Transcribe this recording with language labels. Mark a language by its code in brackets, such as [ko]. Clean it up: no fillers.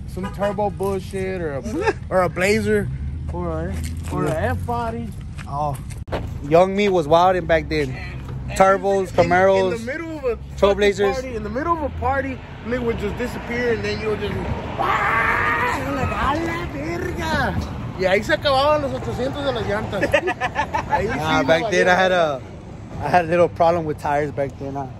[en] Some turbo bullshit or a Blazer. Or an F-body. Oh. Young me was wilding back then. Turbos, Camaros, Trailblazers. In the middle of a party, Lee would just disappear and then you would just. [es] ¡Ah! ¡La verga! Y ahí se acababan los 800 de las llantas. Ahí sí. [en] Nah, back then I had a little problem with tires back then.